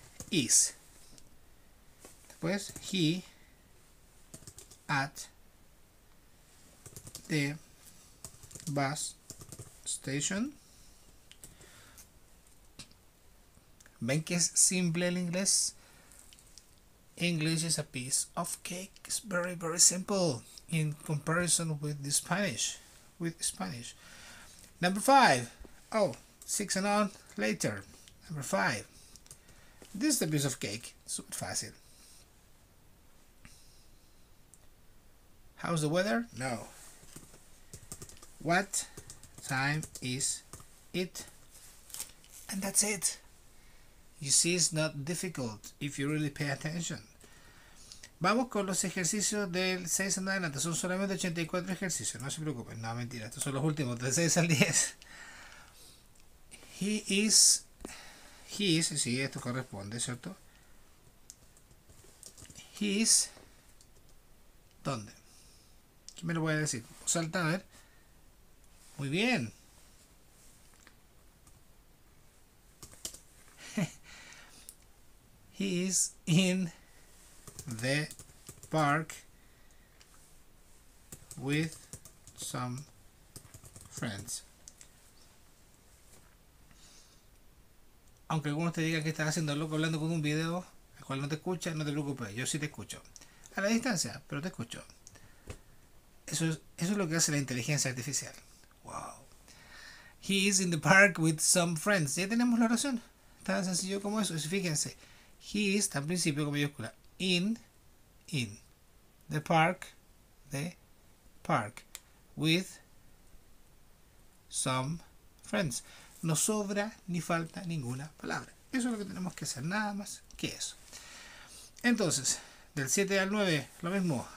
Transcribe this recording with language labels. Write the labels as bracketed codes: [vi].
[en] Is. Después, he at the bus station. [es] ¿Ven que es simple el inglés? [en] English is a piece of cake. It's very, very simple in comparison with the Spanish. With Spanish. Number five. Oh, six and on later. Number five. This is a piece of cake. [es] Super fácil. [en] How's the weather? No. What time is it? And that's it. You see, it's not difficult if you really pay attention. [es] Vamos con los ejercicios del 6 en adelante. Son solamente 84 ejercicios. No se preocupen. No, mentira. Estos son los últimos. Del 6 al 10. [en] He is. [es] Sí, esto corresponde, ¿cierto? [en] He is. [es] ¿Dónde? ¿Qué me lo voy a decir? Salta, a ver. Muy bien. [en] He is in the park with some friends. [es] Aunque algunos te digan que estás haciendo loco hablando con un video, el cual no te escucha, no te preocupes, yo sí te escucho. A la distancia, pero te escucho. Eso es lo que hace la inteligencia artificial. [en] Wow. He is in the park with some friends. [es] Ya tenemos la oración. Tan sencillo como eso. Fíjense. [en] He is, [es] tan principio con mayúscula. [en] In the park with some friends. [es] No sobra ni falta ninguna palabra. Eso es lo que tenemos que hacer, nada más que eso. Entonces, del 7 al 9, lo mismo.